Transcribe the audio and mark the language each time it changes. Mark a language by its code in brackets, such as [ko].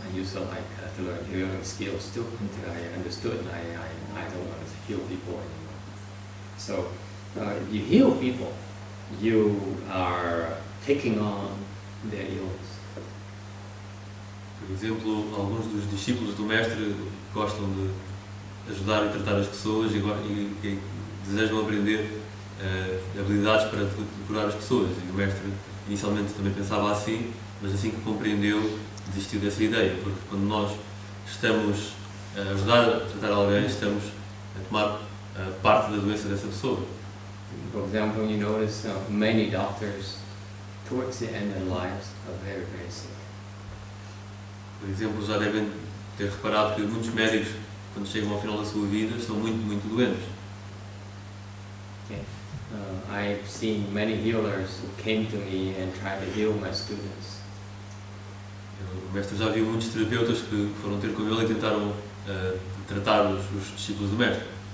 [en] I used to like to learn healing skills too, until I understood I don't want to heal people anymore. So if you heal people, you are taking on their illness. [pt] Por exemplo, alguns dos discípulos do mestre gostam de ajudar e tratar as pessoas e desejam aprender habilidades para curar as pessoas. E o mestre inicialmente também pensava assim, mas assim que compreendeu, desistiu dessa ideia. Porque quando nós estamos a ajudar a tratar alguém, estamos a tomar parte da doença dessa pessoa. Por exemplo, [en] you notice many doctors towards the end of lives are very, very sick. [pt] Por exemplo, já devem ter reparado que muitos médicos, quando chegam ao final da sua vida, são muito, muito doentes. [en] I've seen many healers who came to me and tried to heal my students. [pt] O mestre já viu muitos terapeutas que foram ter com ele e tentaram tratar os discípulos do mestre.